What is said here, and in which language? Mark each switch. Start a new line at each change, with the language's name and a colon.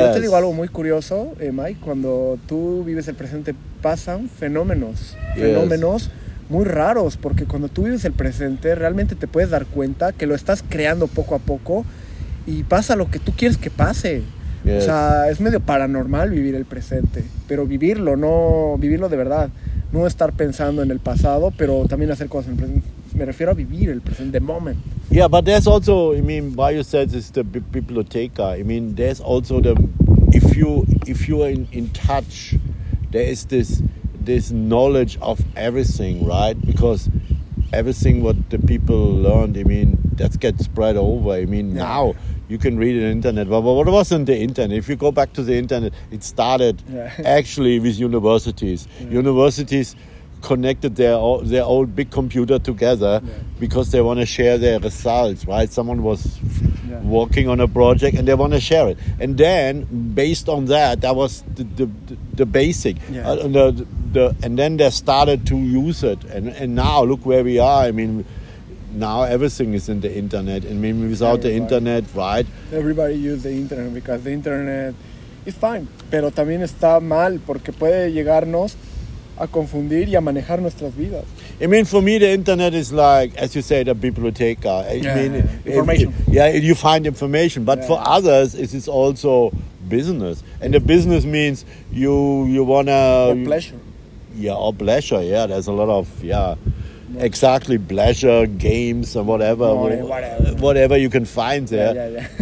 Spanish: Yo te digo algo muy curioso, Mike, cuando tú vives el presente pasan fenómenos muy raros, porque cuando tú vives el presente realmente te puedes dar cuenta que lo estás creando poco a poco y pasa lo que tú quieres que pase.
English: Yes.
Spanish: O sea, es medio paranormal vivir el presente, pero vivirlo, no vivirlo de verdad, no estar pensando en el pasado, pero también hacer cosas en el presente. Me refiero a vivir el presente,
English: the moment. Yeah, but there's also, I mean, why you said it's the biblioteca. I mean, there's also the, if you are in touch, there is this knowledge of everything, right? Because everything what the people learned, I mean, that gets spread over. I mean, now you can read it on the internet. But what was on the internet? If you go back to the internet, it started actually with universities. Yeah. Universities connected their old big computer together because they want to share their results, right? Someone was working on a project and they want to share it. And then, based on that, that was the basic. Yeah. And then they started to use it. And now, look where we are. I mean, now everything is in the internet. I mean, without the internet, right? Everybody use the internet because the internet is fine.
Spanish: Pero también está mal porque puede llegarnos a confundir y a manejar nuestras vidas.
English: I mean, for me, the internet is like, as you said, a biblioteca. Information. You find information. But for others, it is also business. And the business means you want to... Or pleasure. Or pleasure. There's a lot of, exactly, pleasure, games, or whatever you can find there.